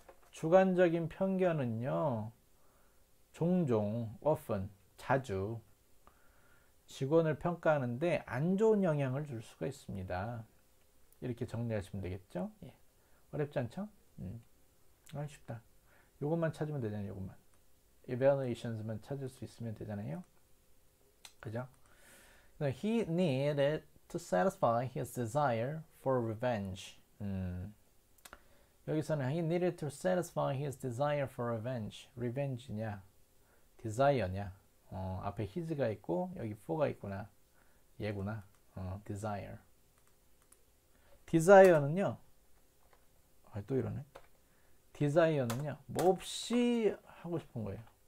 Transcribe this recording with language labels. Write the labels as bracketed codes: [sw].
[ko] 주관적인 편견은요, 종종, [en] often, [ko] 자주 직원을 평가하는데 안 좋은 영향을 줄 수가 있습니다. 이렇게 정리하시면 되겠죠? 예. 어렵지 않죠? 쉽다. 요것만 찾으면 되잖아요, 요것만. Evaluations만 찾을 수 있으면 되잖아요. 그죠? [en] He needed to satisfy his desire for revenge. [ko] 여기서는 [en] he needed to satisfy his desire for revenge. [ko] Revenge냐? Desire냐? 앞에 his가 있고, 여기 for가 있구나. 얘구나. Desire. Desire는요, 아, 또 이러네. Desire는요, 몹시 하고 싶은 거예요.